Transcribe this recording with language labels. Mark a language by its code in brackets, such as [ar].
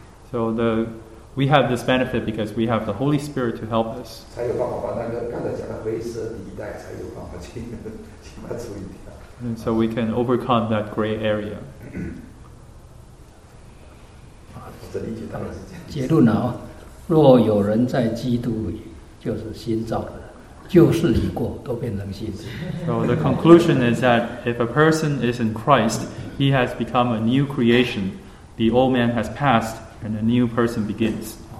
[en] So we have this benefit because we have the Holy Spirit to help us. [zh] 才有办法把那个刚才讲的灰色地带才有办法去把它处理掉。 [en] And so we can overcome that gray area. [zh] 这理解当然是这样。结论啊，若有人在基督里，就是新造的。旧事已过，都变成新事。 [en] So the conclusion is that if a person is in Christ, he has become a new creation. The old man has passed, and a new person begins.